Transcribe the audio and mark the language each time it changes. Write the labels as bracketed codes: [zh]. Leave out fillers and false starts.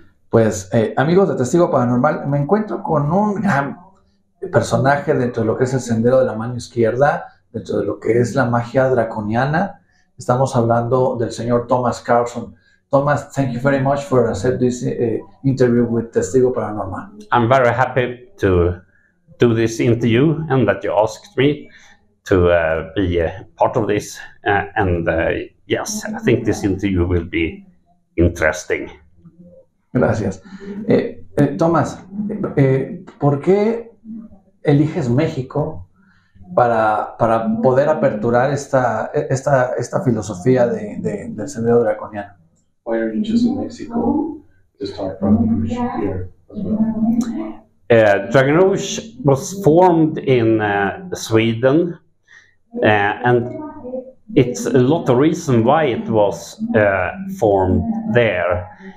[es] Pues amigos de Testigo Paranormal, me encuentro con un gran personaje dentro de lo que es el sendero de la mano izquierda, dentro de lo que es la magia draconiana. Estamos hablando del señor Thomas Karlsson. [en] Thomas, thank you very much for accept this interview with Testigo Paranormal. I'm very happy to do this interview and that you asked me to be a part of this. Yes, I think this interview will be interesting. [es] Gracias. Thomas, ¿por qué eliges México para poder aperturar esta filosofía del sendero draconiano? [en] Why are you just in Mexico to start from here? Dragon Rouge was formed in Sweden, and it's a lot of reason why it was formed there.